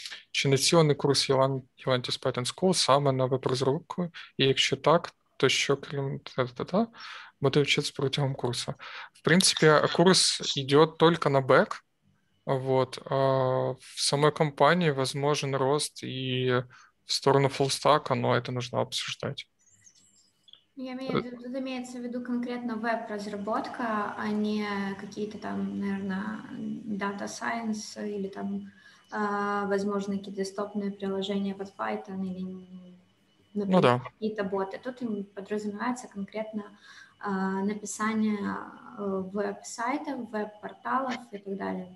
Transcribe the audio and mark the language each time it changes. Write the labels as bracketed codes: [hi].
[uk] Чинаційний курс Yolantis Python School саме на веб-розробку. І якщо так, то що крім та-та-та, буде вчитися протягом курсу. В принципі, курс йде тільки на бек. Вот. В самій компанії можливий рост і в сторону фулстака, але це потрібно обговорювати. [ru] Тут имеется в виду конкретно веб-разработка, а не какие-то там, наверное, data science или там, возможно, какие-то десктопные приложения под Python или, например, ну, да, какие-то боты. Тут им подразумевается конкретно написание веб-сайтов, веб-порталов и так далее.